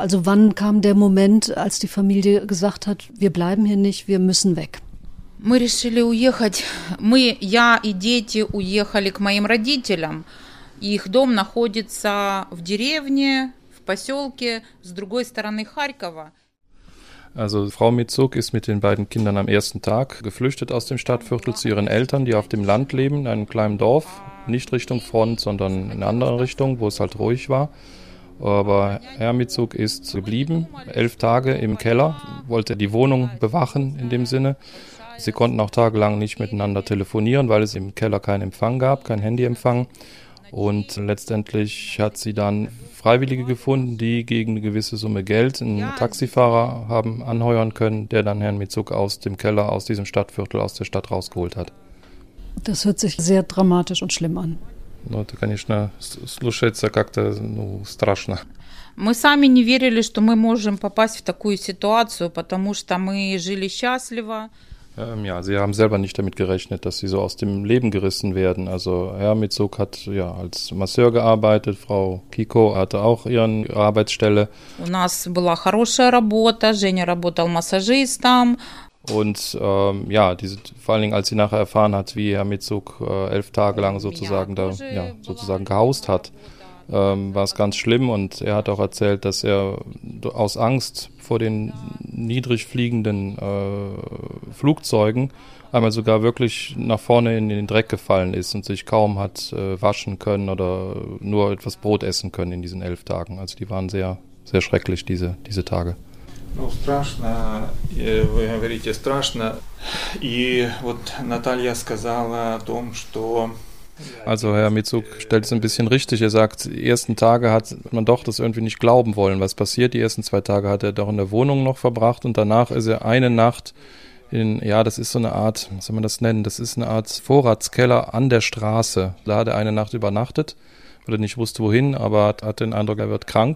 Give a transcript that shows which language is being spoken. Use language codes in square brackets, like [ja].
[de] Also wann kam der Moment, als die Familie gesagt hat, wir bleiben hier nicht, wir müssen weg? Wir haben entschieden, wir, ja und die Kinder, [ru] уехали к моим родителям. Их дом находится в деревне, в поселке с другой стороны Харькова. [de] Also Frau Mitzuk ist mit den beiden Kindern am ersten Tag geflüchtet aus dem Stadtviertel zu ihren Eltern, die auf dem Land leben, in einem kleinen Dorf, nicht Richtung Front, sondern in einer anderen Richtung, wo es halt ruhig war. Aber Herr Mitzuk ist geblieben, 11 Tage im Keller, wollte die Wohnung bewachen in dem Sinne. Sie konnten auch tagelang nicht miteinander telefonieren, weil es im Keller keinen Empfang gab, kein Handyempfang. Und letztendlich hat sie dann Freiwillige gefunden, die gegen eine gewisse Summe Geld einen Taxifahrer haben anheuern können, der dann Herrn Mizuk aus dem Keller, aus diesem Stadtviertel, aus der Stadt rausgeholt hat. Das hört sich sehr dramatisch und schlimm an. [ru] Ну, это, конечно, слушается как-то, ну, страшно. Мы сами не верили, что мы можем попасть в такую ситуацию, потому что мы жили счастливо. [de] Ja, sie haben selber nicht damit gerechnet, dass sie so aus dem Leben gerissen werden. Also Herr Mizuk hat ja als Masseur gearbeitet, Frau Kiko hatte auch ihre Arbeitsstelle. [ru] У нас была хорошая работа, Женя работал массажистом. [de] Und ja, diese, vor allen Dingen, als sie nachher erfahren hat, wie Herr Mizuk 11 Tage lang sozusagen da ja, sozusagen gehaust hat, war es ganz schlimm. Und er hat auch erzählt, dass er aus Angst vor den niedrig fliegenden Flugzeugen einmal sogar wirklich nach vorne in den Dreck gefallen ist und sich kaum hat waschen können oder nur etwas Brot essen können in diesen 11 Tagen. Also die waren sehr, sehr schrecklich, diese Tage. [ru] Ну, страшно, вы говорите, страшно. И вот Наталья сказала о том, что... [de] Also Herr Mizuk stellt es ein bisschen richtig. Er sagt, die ersten Tage hat man doch das irgendwie nicht glauben wollen, was passiert. Die ersten 2 Tage hat er doch in der Wohnung noch verbracht und danach ist er eine Nacht in, ja, das ist so eine Art, was soll man das nennen, das ist eine Art Vorratskeller an der Straße. Da hat er eine Nacht übernachtet. Oder nicht wusste wohin, aber hat den Eindruck, er wird krank.